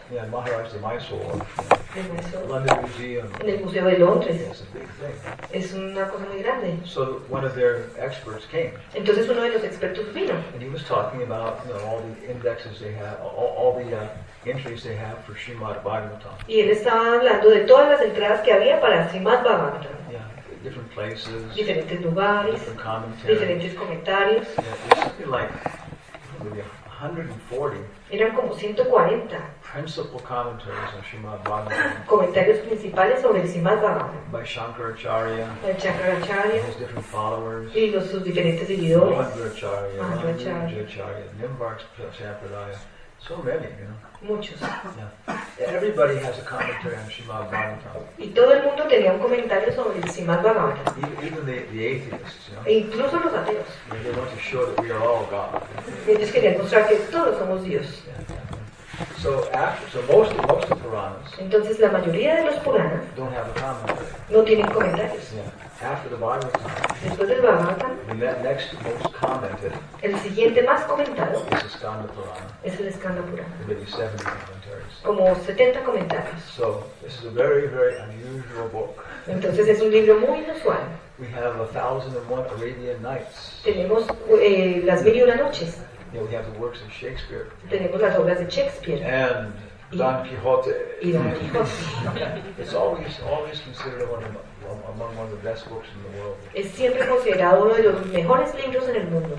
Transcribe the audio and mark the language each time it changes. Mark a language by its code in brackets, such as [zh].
[en] Yeah, Maharaj de Mysore. [es] London Museum. En el Museo de Londres. [en] Yeah, it's a big thing. [es] Es una cosa muy grande. [en] So one of their experts came. [es] Entonces uno de los expertos vino. [en] And he was talking about, you know, all the indexes they have, all the entries they have for Srimad Bhagavatam. [es] Y él estaba hablando de todas las entradas que había para Srimad Bhagavatam. [en] Different places. [es] Diferentes lugares. [en] Different commentaries. [es] Diferentes comentarios. [en] Yeah, it's something like, maybe 140. [es] Eran como 140. [en] Principal commentaries on Srimad Bhagavatam. [es] Comentarios principales sobre el Srimad Bhagavatam. [en] By Shankaracharya. By Shankaracharya. His different followers. [es] Y los sus diferentes seguidores. [en] Mahadracharya. [es] Mahadracharya. [en] Nimbarka Sampradaya. So many, you know. [es] Muchos. [en] Yeah. Everybody has a commentary on Srimad Bhagavatam. [es] Y todo el mundo tenía un comentario sobre el Srimad Bhagavatam. [en] Even the atheists, you know. [es] E incluso los ateos. [en] Yeah, they want to show that we are all God. [es] Ellos querían mostrar que todos somos Dios. [en] So most of the Puranas. [es] Entonces la mayoría de los Puranas. [en] Don't have a commentary. [es] No tienen comentarios. [en] Yeah. After the Bhagavatam. [es] Después del Bhagavatam. [en] The next most commented. [es] El siguiente más comentado. [en] Is the Skanda Purana. [es] Es el Skanda Purana. [en] Maybe 70 commentaries. [es] Como 70 comentarios. [en] So this is a very, very unusual book. [es] Entonces es un libro muy inusual. [en] We have 1001 Arabian Nights. [es] Tenemos las mil y una noches. [en] Yeah, we have the works of Shakespeare. [es] Tenemos las obras de Shakespeare. [en] And Don Quixote. [es] Y Don Quixote. [en] It's always considered among one of the best books in the world. [es] Es siempre considerado uno de los mejores libros en el mundo.